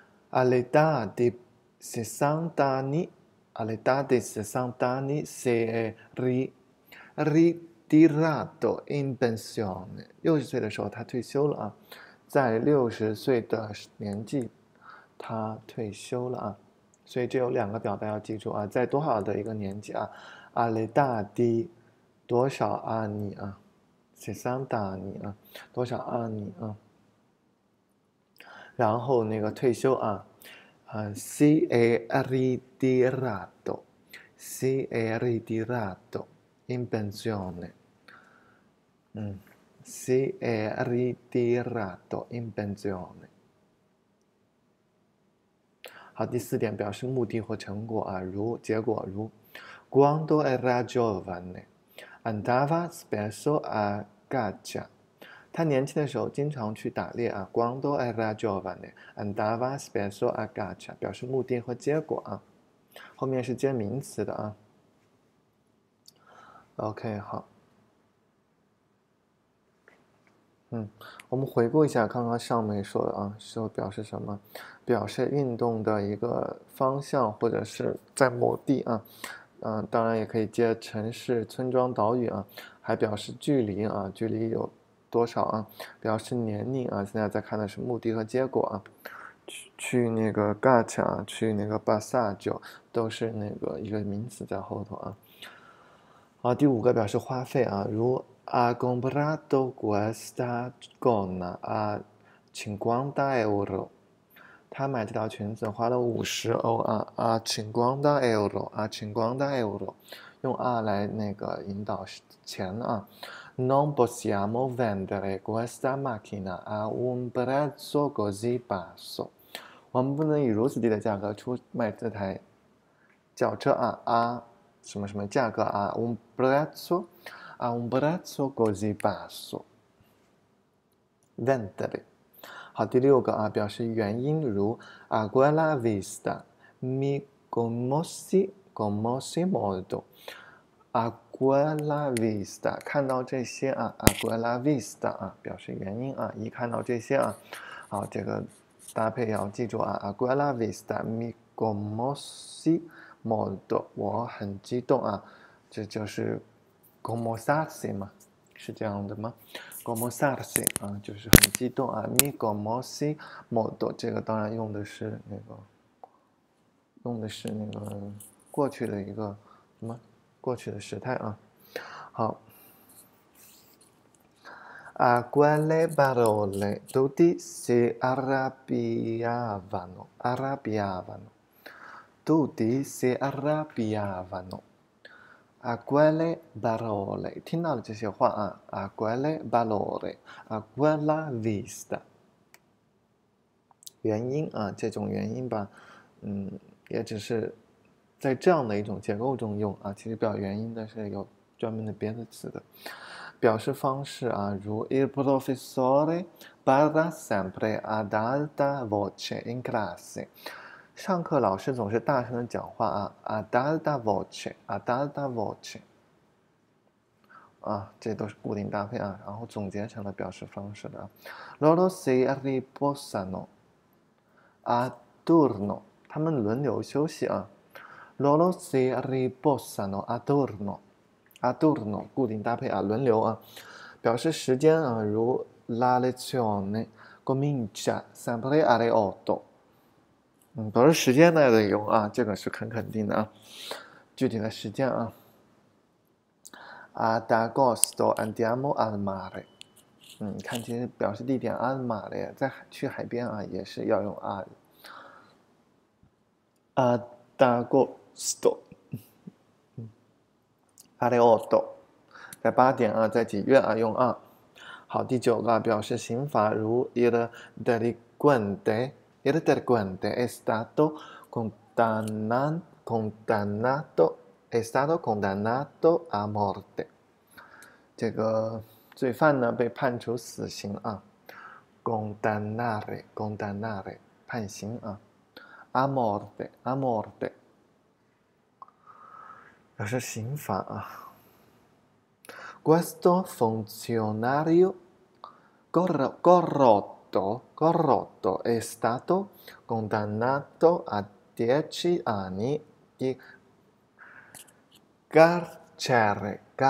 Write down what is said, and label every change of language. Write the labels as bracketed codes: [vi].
[it] All'età di 60 anni，all'età di 60 anni si è ritirato tirato in pensione， [zh] 60岁的时候他退休了啊，在60岁的年纪，他退休了啊，所以这有两个表达要记住啊，在多少的一个年纪啊， [it] all'età di [zh] 多少啊你啊，60你啊，多少啊你啊，然后那个退休啊， [it] si è ritirato，si è ritirato in pensione。 Si è ritirato in pensione。 [zh] 好，第四点表示目的或成果啊，如结果如， [it] quando era giovane andava spesso a caccia。 [zh] 他年轻的时候经常去打猎啊。 [it] Quando era giovane andava spesso a caccia [zh] 表示目的和结果啊，后面是接名词的啊。 OK，好。我们回顾一下刚刚上面说的啊，是表示什么？表示运动的一个方向或者是在某地啊，当然也可以接城市、村庄、岛屿啊，还表示距离啊，距离有多少啊？表示年龄啊，现在在看的是目的和结果啊，去那个 gacha 啊，去那个 passaggio 都是那个一个名词在后头啊。第五个表示花费啊，如。 [it] Ha comprato questa gonna a 50 euro。 [zh] 他买这条裙子花了50欧啊。50 euro，50 euro，用 a 来那个引导钱啊。 [it] Non possiamo vendere questa macchina a un prezzo così basso。 [zh] 我们不能以如此低的价格出卖这台轿车啊。什么什么价格啊？ [it] un prezzo。 A un prezzo così basso. Vendere. [zh] 好，第六个啊，表示原因如 [it] A quella vista mi commossi molto. A quella vista [zh] 看到这些啊，A quella vista 啊，表示原因啊，一看到这些啊，好，这个搭配要记住啊， [it] A quella vista mi commossi molto. [zh] 我很激动啊，这就是。 commossi 嘛，是这样的吗？commossi 啊，就是很激动啊。 [it] mi commossi molto [zh] 这个当然用的是那个过去的一个什么过去的时态啊。 [it] 好，a quelle parole tutti si arrabbiavano，tutti si arrabbiavano。 A quelle parole， [zh] 听到了这些话啊， [it] a quelle parole，a quella vista， [zh] 原因啊，这种原因吧，也只是在这样的一种结构中用啊，其实表原因的是有专门的别的词的，表示方式啊，如 [it] il professore parla sempre ad alta voce in classe。 [zh] 上课老师总是大声的讲话啊， [it] ad alta voce，ad alta voce， [zh] 啊，这都是固定搭配啊，然后总结成了表示方式的， [it] loro si riposano a turno， [zh] 他们轮流休息啊，loro si riposano a turno，a turno 固定搭配啊，轮流啊，表示时间啊，如 [it] la lezione comincia sempre alle 8。 [zh] 都是时间内的用啊，这个是很肯定的啊。具体的时间啊， [it] ad agosto andiamo al mare。 [zh] 看其实表示地点 [it] al mare [zh] 在去海边啊，也是要用 [it] ad agosto。 alle 8， [zh] 在8点啊，在几月啊用啊。好，第九个表示刑罚，如 [it] il delinquente。 Il delinquente è stato condannato a morte。 [zh] 这个罪犯呢被判处死刑啊，condannare 判刑啊， [it] a morte [zh] 表示刑罚啊。 [it] Questo funzionario corrotto è stato condannato a 10 anni di carcere.